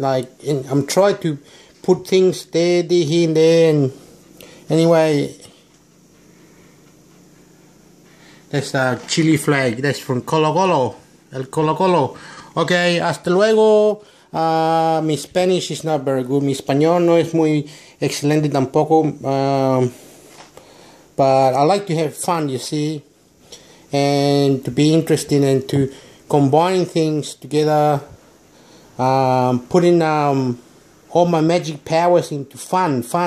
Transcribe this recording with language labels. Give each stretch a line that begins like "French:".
English: Like, I'm trying to put things there, here and there. And anyway, that's a chili flag. That's from Colo Colo. El Colo Colo. Okay,
Spanish: hasta luego. Mi
English: Spanish is not very good.
Spanish: Mi español no es muy excelente tampoco.
English: But I like to have fun, you see. And to be interesting and to combine things together. Putting all my magic powers into fun.